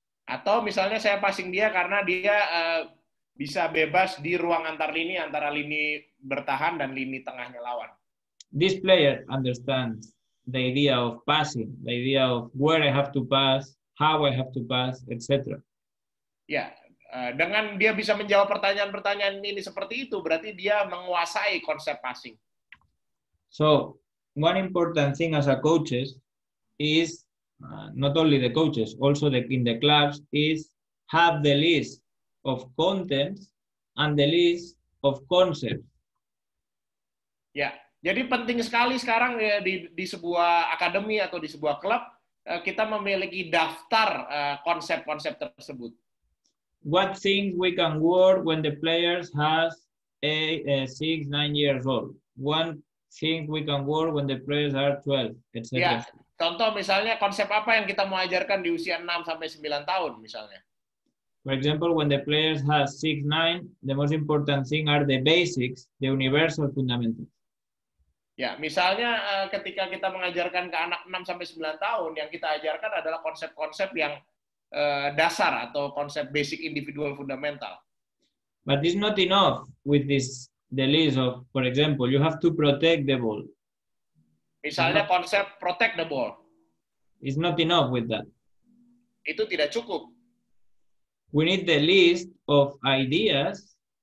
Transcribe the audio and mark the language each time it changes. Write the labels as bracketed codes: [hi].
[id] Atau misalnya saya passing dia karena dia bisa bebas di ruang antar lini, antara lini bertahan dan lini tengahnya lawan. [en] This player understands the idea of passing, the idea of where I have to pass, how I have to pass, etc. Ya, yeah. [id] Dengan dia bisa menjawab pertanyaan-pertanyaan ini seperti itu, berarti dia menguasai konsep passing. [en] So, one important thing as a coaches is not only the coaches, also in the clubs, is have the list of contents and the list of concepts. [id] Ya, jadi penting sekali sekarang ya, di sebuah akademi atau di sebuah klub kita memiliki daftar konsep-konsep tersebut. [en] What things we can work when the players has 8, 6, 9 years old. One think we can work when the players are 12, etc. [id] Ya, contoh misalnya konsep apa yang kita mau ajarkan di usia 6 sampai 9 tahun misalnya. [en] For example, when the player has 6-9, the most important thing are the basics, the universal fundamentals. [id] Ya, misalnya ketika kita mengajarkan ke anak 6-9 tahun, yang kita ajarkan adalah konsep-konsep yang dasar atau konsep basic individual fundamental. [en] But it's not enough with this the list of, for example, you have to protect the ball. [id] Misalnya konsep [en] protect the ball. It's not enough with that. [id] Itu tidak cukup. [en] We need the list of ideas.